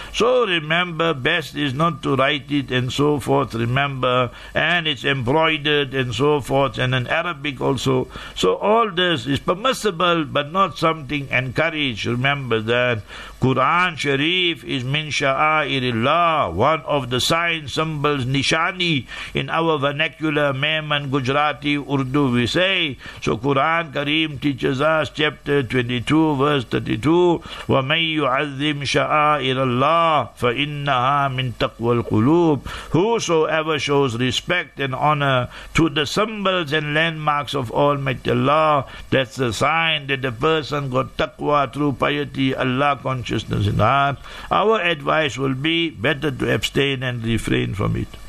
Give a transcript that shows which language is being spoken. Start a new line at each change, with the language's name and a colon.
English: So remember, best is not to write it and so forth, remember, and it's embroidered and so forth, and in Arabic also. So all this is permissible but not something encouraged, remember that Quran Sharif is min sha'airillah, one of the sign symbols, nishani, in our vernacular, Meman, Gujarati, Urdu, we say.
Arabic: So Quran Kareem teaches us, chapter 22, verse 32, وَمَن يُعَذِّمْ شَعَائِرَ اللَّهِ فَإِنَّهَا مِن تَقْوَى الْقُلُوبِ.
English: Whosoever shows respect and honor to the symbols and landmarks of Almighty Allah, that's the sign that the person got taqwa through piety, Allah consciousness in the heart. Our advice will be better to abstain and refrain from it.